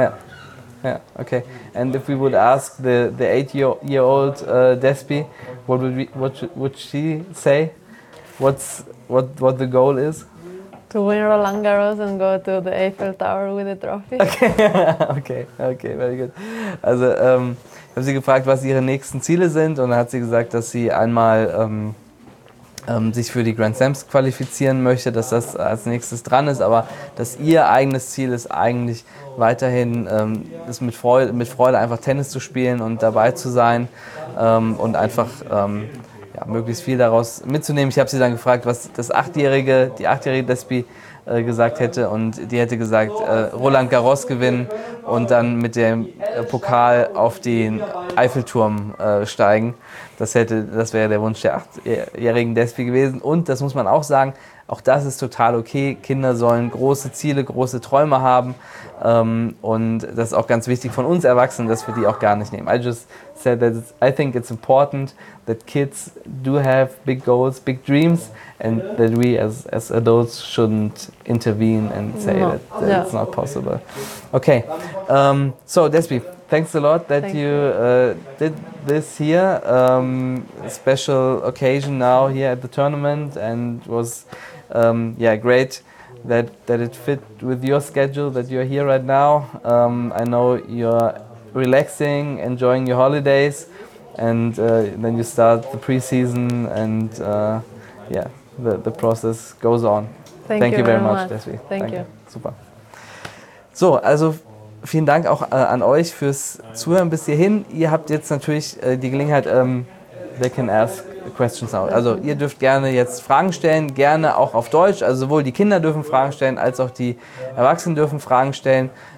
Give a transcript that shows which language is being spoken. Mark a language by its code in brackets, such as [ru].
[en] Yeah. Yeah, okay. And if we would ask the 8-year-old Despi, what would she say? What the goal is? To win Roland Garros and go to the Eiffel Tower with the trophy. Okay, very good. [de] Also, ich habe sie gefragt, was ihre nächsten Ziele sind, und dann hat sie gesagt, dass sie einmal sich für die Grand Slams qualifizieren möchte, dass das als nächstes dran ist, aber dass ihr eigenes Ziel ist, eigentlich weiterhin es mit Freude einfach Tennis zu spielen und dabei zu sein und einfach möglichst viel daraus mitzunehmen. Ich habe sie dann gefragt, was die achtjährige Despi gesagt hätte, und die hätte gesagt, Roland Garros gewinnen und dann mit dem Pokal auf den Eiffelturm steigen. Das wäre der Wunsch der achtjährigen Despi gewesen. Und das muss man auch sagen, auch das ist total okay. Kinder sollen große Ziele, große Träume haben. Und das ist auch ganz wichtig von uns Erwachsenen, dass wir die auch gar nicht nehmen. [en] I just said that I think it's important that kids do have big goals, big dreams, and that we as adults shouldn't intervene and say that it's not possible. Okay, so Despi, thanks a lot that you did this here, special occasion now here at the tournament, and was great that it fit with your schedule that you're here right now. I know you're relaxing, enjoying your holidays, and then you start the preseason, and the process goes on. Thank you very much, Despi. Super. [de] So, also vielen Dank auch an euch fürs Zuhören bis hierhin. Ihr habt jetzt natürlich die Gelegenheit, [en] they can ask questions now. [de] Also ihr dürft gerne jetzt Fragen stellen, gerne auch auf Deutsch. Also sowohl die Kinder dürfen Fragen stellen, als auch die Erwachsenen dürfen Fragen stellen.